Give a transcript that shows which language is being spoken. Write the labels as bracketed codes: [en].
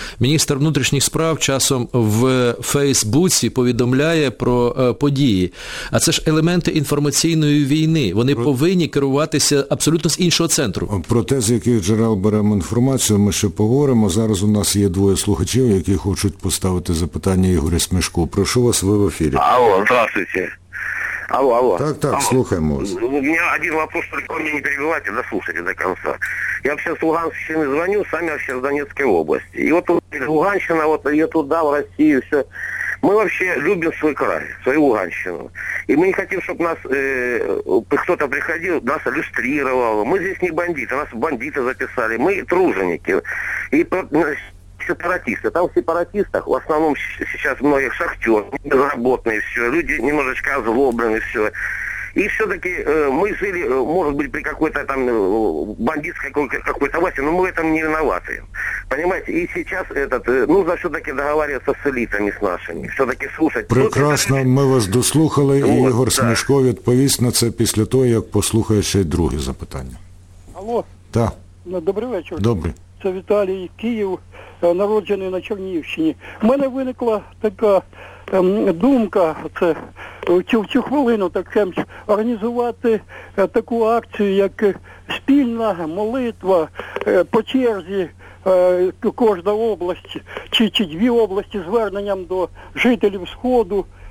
[uk] Міністр внутрішніх справ часом в Фейсбуці повідомляє про події. А це ж елементи інформаційної війни. Вони повинні керуватися абсолютно з іншого центру. Про те, з яких джерел беремо інформацію, ми ще поговоримо. Зараз у нас є двоє слухачів, які хочуть поставити запитання Ігорю Смішку. Прошу вас, ви в ефірі. [ru] Алло, здравствуйте. Алло, алло. [uk] Так, алло. Слухаємо вас. [ru] У меня один вопрос, только мне не перебивайте, дослушайте до конца. Я вообще с Луганщины звоню, сами вообще в Донецкой области. И вот Луганщина, вот ее туда, в Россию, все. Мы вообще любим свой край, свою Луганщину. И мы не хотим, чтобы нас кто-то приходил, нас иллюстрировал. Мы здесь не бандиты, нас бандиты записали. Мы труженики. И сепаратисты. Там в сепаратистах в основном сейчас многих шахтер, безработные все, люди немножечко озлоблены все. И все-таки мы жили, может быть, при какой-то там бандитской какой-то власти, но мы в этом не виноваты. Понимаете? И сейчас нужно все-таки договариваться с элитами, с нашими. Все-таки слушать. Прекрасно, мы вас [uk] дослухали, и вот, Игорь Смешко відповість на це після того, як послухає ще й друге запитання. Алло. [ru] Да. [uk] Добрий вечір. Добрий. Це Віталій, Київ, народжений на Чернігівщині. У мене виникла така думка, це в цю хвилину таке організувати таку акцію, як спільна молитва по черзі кожної області, чи дві області зверненням до жителів Сходу.